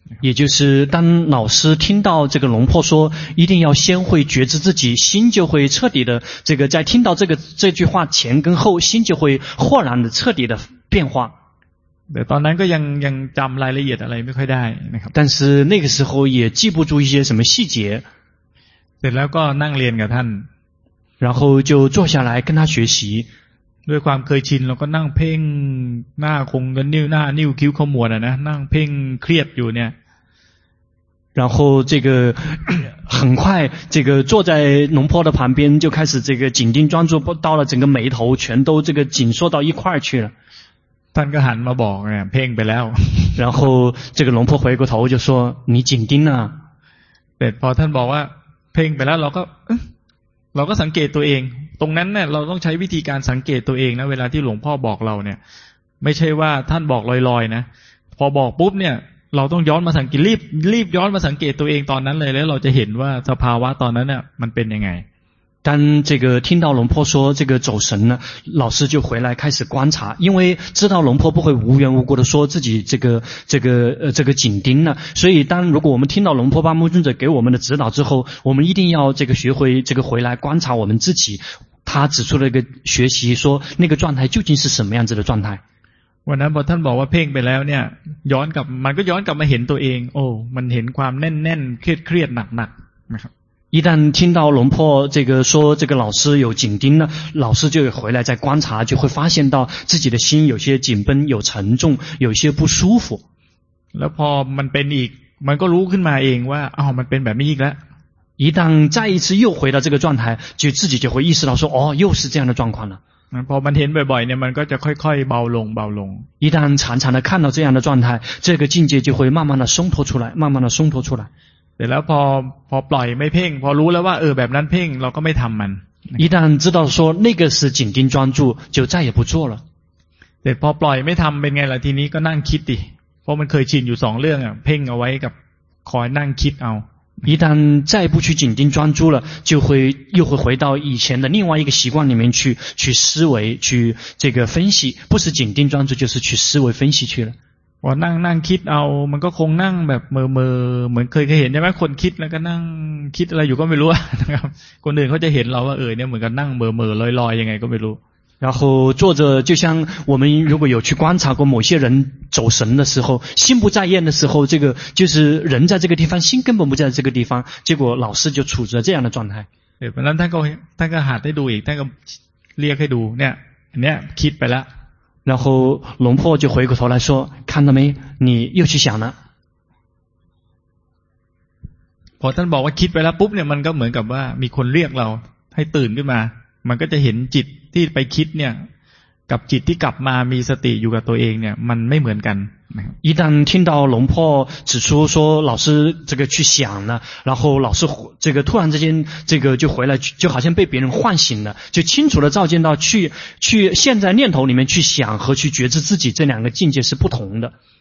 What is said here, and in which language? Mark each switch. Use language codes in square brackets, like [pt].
[zh] 也就是当老师听到这个龙婆说一定要先会觉知自己心就会彻底的这个在听到这句话前跟后心就会豁然的彻底的变化 [th] แต่ตอนนั้นก็ยังจำรายละเอียดอะไรไม่ค่อยได้นะครับ [zh] 但是那个时候也记不住一些什么细节 [th] เสร็จแล้วก็นั่งเรียนกับท่าน [zh] 然后就坐下来跟他学习 [th] ด้วยความเคยชินเราก็นั่งเพ่งหน้าคงกันนิ้วหน้านิ้วคิ้วขมวดอ่ะนะนั่งเพ่งเครียดอยู่เนี่ย [zh] 然后这个很快这个坐在龙婆的旁边就开始这个紧盯专注到了整个眉头全都这个紧缩到一块去了 [th] ท่านก็หันมาบอกเนี่ยเพ่งไปแล้ว [zh] 然后这个龙婆回过头就说你紧盯啊 [th] แต่พอท่านบอกว่าเพ่งไปแล้วเราก็สังเกตตัวเองตรงนั้นเนี่ยเราต้องใช้วิธีการสังเกตตัวเองนะเวลาที่หลวงพ่อบอกเราเนี่ยไม่ใช่ว่าท่านบอกลอยๆนะพอบอกปุ๊บเนี่ยเราต้องย้อนมาสังเกตรีบย้อนมาสังเกตตัวเองตอนนั้นเลยแล้วเราจะเห็นว่าสภาวะตอนนั้นเนี่ยมันเป็นยังไง [zh] 但这个听到龙婆说这个走神了老师就回来开始观察因为知道龙婆不会无缘无故的说自己这个紧盯了所以当如果我们听到龙婆巴木尊者给我们的指导之后我们一定要这个学会这个回来观察我们自己他指出了一个学习说那个状态究竟是什么样子的状态 [th] วันนั้นพอท่านบอกว่าเพ่งไปแล้วเนี่ยย้อนกลับมันก็ย้อนกลับมาเห็นตัวเองโอ้มันเห็นความแน่นๆเครียดหนักๆนะครับ [zh] 一旦听到龙婆这个说这个老师有紧盯了老师就回来再观察就会发现到自己的心有些紧绷有沉重有些不舒服 [th] แล้วพอมันเป็นอีกมันก็รู้ขึ้นมาเองว่าอ้าวมันเป็นแบบนี้อีกแล้ [zh] ว一旦再一次又回到这个状态就自己就会意识到说哦又是这样的状况了 [th] พอมันเห็นบ่อยๆเนี่ยมันก็จะค่อยๆเบาลง [zh] 一旦常常的看到这样的状态这个境界就会慢慢的松脱出来 [th] เสร็จแล้วพอปล่อยไม่เพ่งพอรู้แล้วว่าเออแบบนั้นเพ่งเราก็ไม่ทำมัน [zh] 一旦知道说那个是紧盯专注就再也不做了 [th] เสร็จพอปล่อยไม่ทำเป็นไงล่ะทีนี้ก็นั่งคิดดิเพราะมันเคยชินอยู่สองเรื่องอ่ะเพ่งเอาไว้กับคอยนั่งคิดเอา [zh] 一旦再不去紧盯专注了就会又会回到以前的另外一个习惯里面去思维去这个分析不是紧盯专注就是去思维分析去了 [th] พอนั่งคิดเอามันก็คงนั่งแบบเมอๆเหมือนเคยเห็นใช่ไหมคนคิดแล้วก็นั่งคิดอะไรอยู่ก็ไม่รู้นะครับคนอื่นเขาจะเห็นเราว่าเออเนี่ยเหมือนกับนั่งเมอๆลอยๆยังไงก็ไม่รู้ [zh] 然后坐着就像我们如果有去观察过某些人走神的时候心不在焉的时候这个就是人在这个地方心根本不在这个地方结果老师就处着这样的状态 [th] เออแล้วท่านก็หัดให้ดูอีกท่านก็เรียกให้ดูเนี่ยคิดไปแล้ว [zh] 然后龙婆就回过头来说看到没你又去想了 [th] พอท่านบอกว่าคิดไปแล้วปุ๊บเนี่ยมันก็เหมือนกับว่ามีคนเรียกเราให้ตื่นขึ้นมามันก็จะเห็นจิตที่ไปคิดเนี่ยกับจิตที่กลับมามีสติอยู่กับตัวเองเนี่ยมันไม่เหมือนกันนะครั [zh] บ一旦听到龙婆指出说老师这个去想了然后老师这个突然之间这个就回来就好像被别人唤醒了就清楚的照见到去现在念头里面去想和去觉知自己这两个境界是不同的